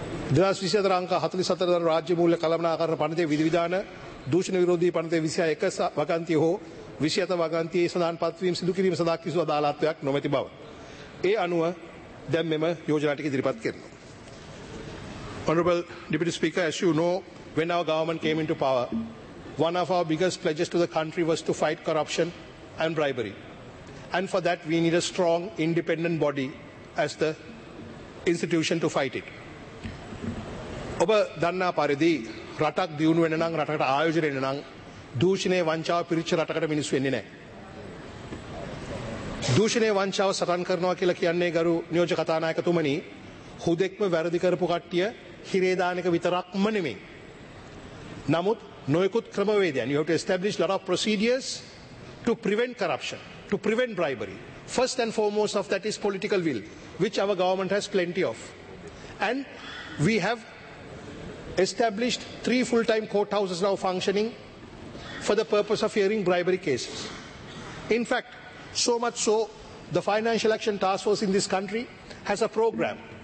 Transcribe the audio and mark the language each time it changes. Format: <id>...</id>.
<si>2024 අංක 44 දරන රාජ්‍ය මූල්‍ය කළමනාකරණ පනතේ විධි විධාන දූෂණ විරෝධී පනතේ 21 වගන්තිය හෝ 27 වගන්තියේ සඳහන් පත්වීම් සිදු කිරීම සඳහා කිසිදු අදාළත්වයක් නොමැති බව ඒ අනුව දැන් මෙම යෝජනා ටික ඉදිරිපත් කරනවා.</si> <en>Honorable Deputy Speaker, as you know, when our government came into power, one of our biggest pledges to the country was to fight corruption and bribery. And for that, we need a strong, independent body as the institution to fight it.</en> <si>ඔබ දන්නා පරිදි රටක් දියුණු වෙන නම් රටකට ආයෝජනය වෙන නම් දූෂණේ වංචාව පිරිච්ච රටකට මිනිස්සු වෙන්නේ නැහැ. දූෂණේ වංචාව සටන් කරනවා කියලා කියන්නේ ගරු නියෝජ කතානායකතුමනි හුදෙක්ම වැරදි කරපු කට්ටිය හිරේ දාන එක විතරක්ම නෙමෙයි. නමුත් නොයෙකුත් ක්‍රමවේදයන්</si> <en>you have to establish lot of procedures to prevent corruption to prevent bribery first and foremost of that is political will which our government has plenty of and we have established 3 full time courthouses now functioning for the purpose of hearing bribery cases in fact So much so, the Financial Action Task Force in this country has a program,</en>